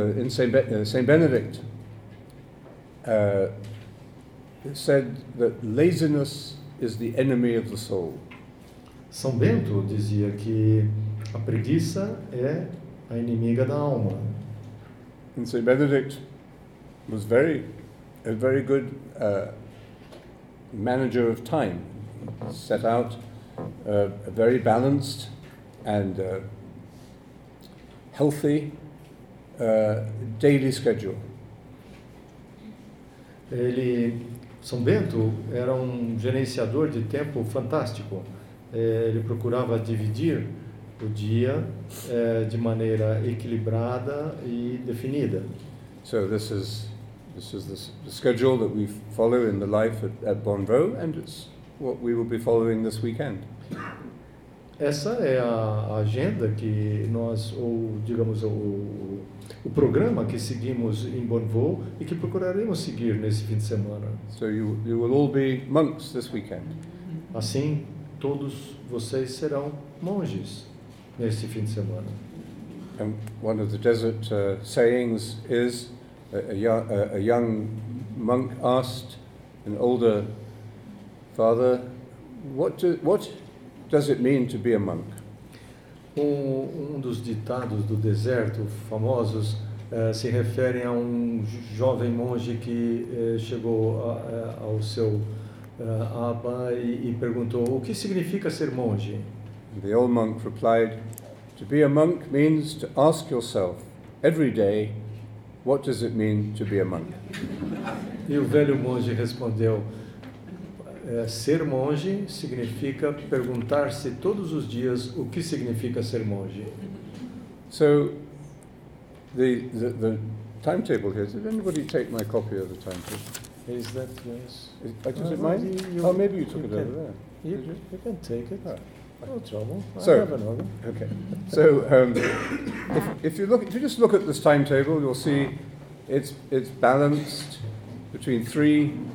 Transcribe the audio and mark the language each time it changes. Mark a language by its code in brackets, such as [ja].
[en] Saint Benedict said that laziness is the enemy of the soul. [pt] São Bento dizia que a preguiça é a inimiga da alma. [en] And Saint Benedict was a very good manager of time. Set out a very balanced and healthy daily schedule. [pt] Ele, São Bento, era um gerenciador de tempo fantástico. Ele procurava dividir o dia de maneira equilibrada e definida. [en] So this is the schedule that we follow in the life at Bonvaux, and it's what we will be following this weekend. [pt] Essa é a agenda que nós, ou digamos, o programa que seguimos em Bonvaux e que procuraremos seguir nesse fim de semana. [en] So you will all be monks this weekend. [pt] Assim, todos vocês serão monges nesse fim de semana. [en] And one of the desert sayings is a young monk asked an older father, what does it mean to be a monk? [pt] Um dos ditados do deserto famosos se referem a um jovem monge que chegou ao seu abba e perguntou o que significa ser monge. [en] And the old monk replied, "To be a monk means to ask yourself every day, what does it mean to be a monk?" [pt] E o velho monge respondeu, ser monge significa perguntar-se todos os dias o que significa ser monge. [en] So, the timetable here. Did anybody take my copy of the timetable? Is that yes? Is it mine? Maybe you took it over there. You can take it. No trouble. So, I have another. Okay. So, if you just look at this timetable, you'll see it's balanced between three.